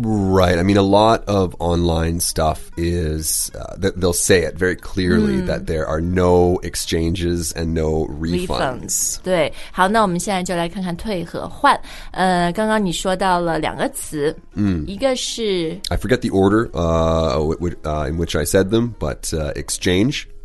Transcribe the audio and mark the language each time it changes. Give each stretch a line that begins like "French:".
English: Right, I mean, a lot of online stuff is, they'll say it very clearly、mm. that there are no exchanges and no refunds.
Chinese: 对，好，那我们现在就来看看退和换。刚刚你说到了两个词、 mm. 一个是
English: I forget the order in which I said them, but exchange.